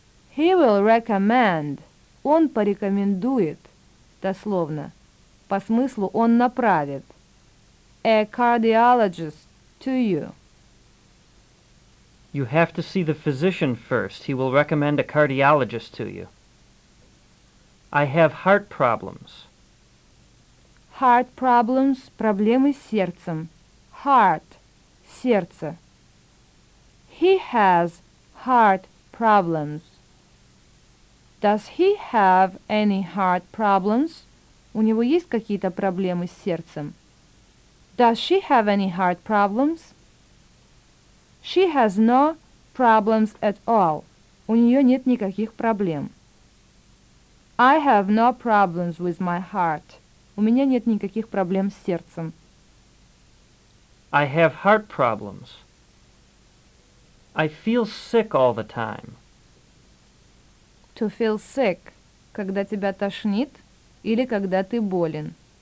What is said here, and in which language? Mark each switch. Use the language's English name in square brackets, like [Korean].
[English] He will recommend. [Russian] Он порекомендует. Дословно. По смыслу он направит. [English] A cardiologist to you. You have to see the physician first. He will recommend a cardiologist to you. I have heart problems. Heart problems, [Russian] проблемы с сердцем. [English] Heart, [Russian] сердце. [English] He has heart problems. Does he have any heart problems? [Russian] У него есть какие-то проблемы с сердцем? [English] Does she have any heart problems? She has no problems at all. [Russian] У нее нет никаких проблем. [English] I have no problems with my heart. [Russian] У меня нет никаких проблем с сердцем. [English] I have heart problems. I feel sick all the time. To feel sick. [Russian] Когда тебя тошнит или когда ты болен.